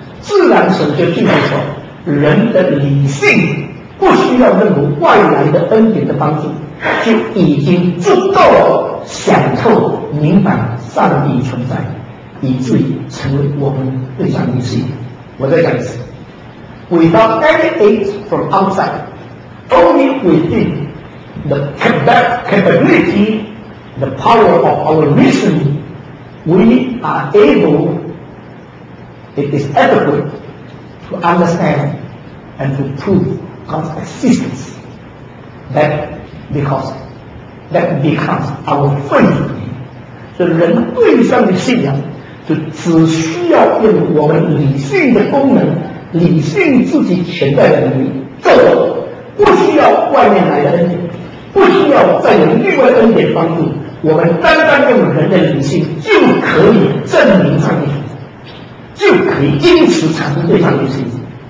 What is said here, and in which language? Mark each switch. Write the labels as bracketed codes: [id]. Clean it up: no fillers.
[zh] 自然神学就是说，人的理性不需要任何外来的恩典的帮助，就已经足够享受明白上帝存在，以至于成为我们对上帝的信仰。我再讲一次， [en] without any aid from outside， only within the capability the power of our reason we are able it is adequate to understand and to prove God's existence that becomes our faith。 [zh] 所以人对上的信仰就只需要用我们理性的功能，理性自己潜在的能力，这个不需要外面来的恩典，不需要再有另外恩典帮助，我们单单用人的理性就可以证明上帝，就可以因此产生对上帝的信心。